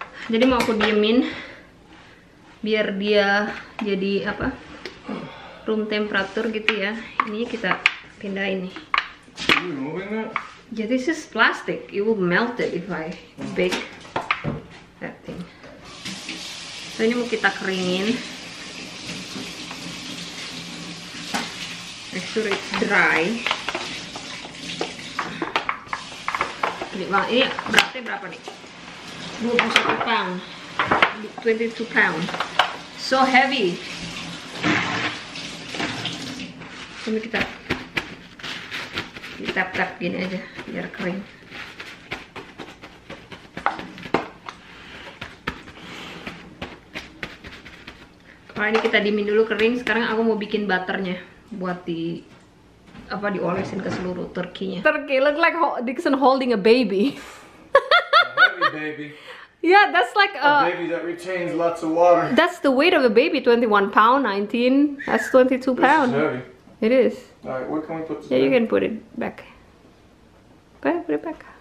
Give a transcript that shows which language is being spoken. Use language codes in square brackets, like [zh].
[id] Jadi mau aku diemin biar dia jadi room temperature gitu ya. Ini kita pindahin nih. [en] You moving it? Yeah, this is plastic. It will melt it if I bake that thing. [id] So ini mau kita keringin. [en] Make sure it's dry. [id] Ini beratnya berapa nih? [en] 21 pound. 22 pound. So heavy. [id] Ini kita tap-tap gini aja biar kering. Kalau ini kita dimin dulu kering, sekarang aku mau bikin butternya buat diolesin ke seluruh turkinya. [en] Turkey look like Dixon holding a baby. A baby baby. Yeah, that's like a baby that retains lots of water. That's the weight of a baby, 21 pound, 19. That's 22 pound. It is. Alright, where can we put this? Yeah, you can put it back. Go ahead, put it back.